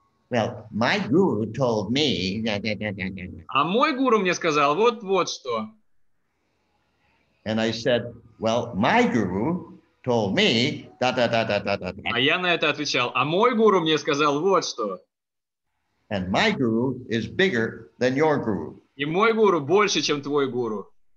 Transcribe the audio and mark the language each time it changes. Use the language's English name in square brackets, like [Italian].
[English] well, my guru told me, [Russian] а мой гуру мне сказал, вот что. [English] And I said, well, my guru told me, da-da-da-da-da-da-da. [Russian] А я на это отвечал, а мой гуру мне сказал, вот что. [English] And my guru is bigger than your guru. [Russian] И мой гуру больше, чем твой гуру.